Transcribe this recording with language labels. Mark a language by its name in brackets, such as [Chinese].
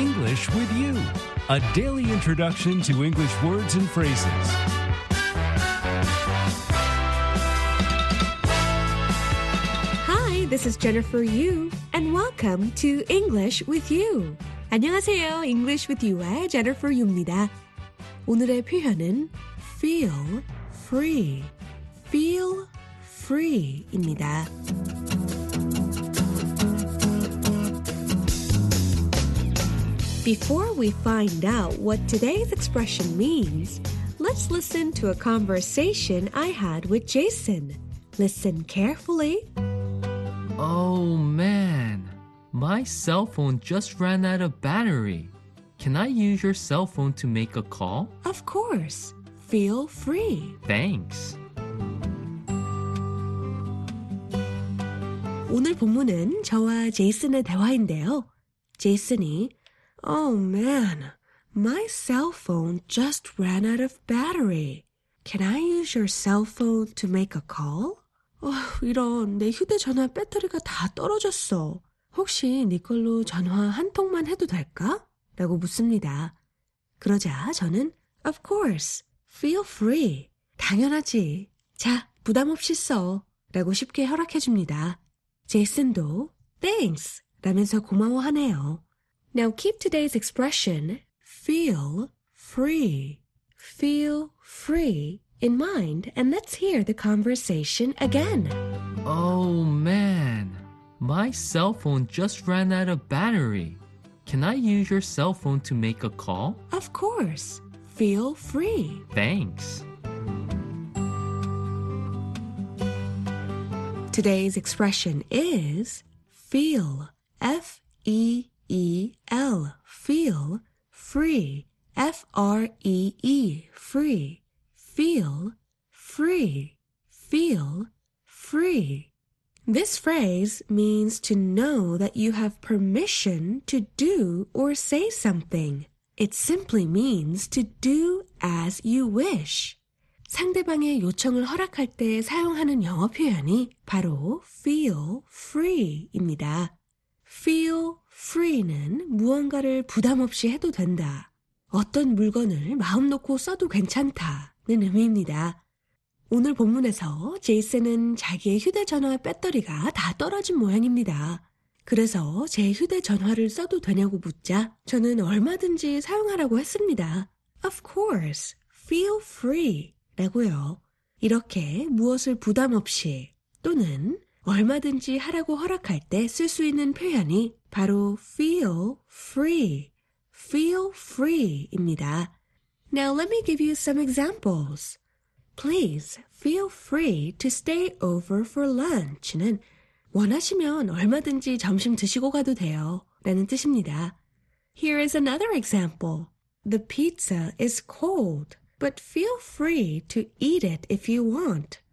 [English] English with you, a daily introduction to English words and phrases. Hi, this is Jennifer Yu, and welcome to English with you. [Korean] 안녕하세요. English with you의 Jennifer Yu입니다. 오늘의 표현은 feel free. Feel free입니다. [English] Before we find out what today's expression means, let's listen to a conversation I had with Jason. Listen carefully. Oh, man. My cell phone just ran out of battery. Can I use your cell phone to make a call? Of course. Feel free. Thanks. [Korean] 오늘 본문은 저와 제이슨의 대화인데요. 제이슨이 [English] Oh man, my cell phone just ran out of battery. Can I use your cell phone to make a call? [Korean] 이런 내 휴대전화 배터리가 다 떨어졌어. 혹시 네 걸로 전화 한 통만 해도 될까? 라고 묻습니다. 그러자 저는 [English] Of course, feel free. [Korean] 당연하지. 자, 부담 없이 써. 라고 쉽게 허락해 줍니다. 제이슨도 [English] Thanks! [Korean] 라면서 고마워하네요. [English] Now keep today's expression, feel free. Feel free in mind, and let's hear the conversation again. Oh man, my cell phone just ran out of battery. Can I use your cell phone to make a call? Of course. Feel free. Thanks. Today's expression is feel, F-E-E-L, feel, free, F-R-E-E, free, feel, free, feel, free. This phrase means to know that you have permission to do or say something. It simply means to do as you wish. [Korean] 상대방의 요청을 허락할 때 사용하는 영어 표현이 바로 feel free입니다. Feel free는 무언가를 부담없이 해도 된다. 어떤 물건을 마음 놓고 써도 괜찮다는 의미입니다. 오늘 본문에서 제이슨은 자기의 휴대전화 배터리가 다 떨어진 모양입니다. 그래서 제 휴대전화를 써도 되냐고 묻자 저는 얼마든지 사용하라고 했습니다. [English] Of course, feel free [Korean] 라고요. 이렇게 무엇을 부담 없이 또는 얼마든지 하라고 허락할 때 쓸 수 있는 표현이 바로 feel free, feel free 입니다. [English] Now let me give you some examples. Please feel free to stay over for lunch는 [Korean] 원하시면 얼마든지 점심 드시고 가도 돼요 라는 뜻입니다. [English] Here is another example. The pizza is cold, but feel free to eat it if you want.